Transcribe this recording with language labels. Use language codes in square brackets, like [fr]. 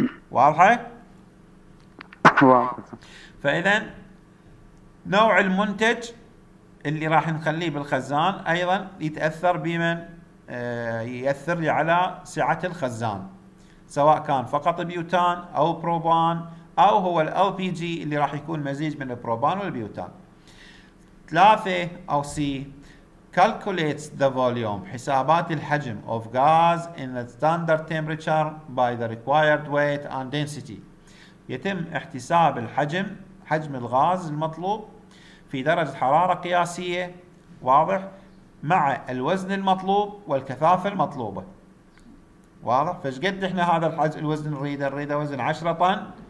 [ar] واضحه؟ فاذا نوع المنتج اللي راح نخليه بالخزان ايضا يتاثر بمن ياثر لي على سعه الخزان، سواء كان فقط بيوتان او بروبان او هو ال بي جي اللي راح يكون مزيج من البروبان والبيوتان. [en] 3 او سي calculates the volume، [ar] حسابات الحجم [en] of gas in the standard temperature by the required weight and density. [ar] يتم احتساب الحجم، حجم الغاز المطلوب في درجة حرارة قياسية، واضح، مع الوزن المطلوب والكثافة المطلوبة. واضح؟ فش قد احنا هذا الحجم الوزن نريده؟ نريده وزن 10 طن.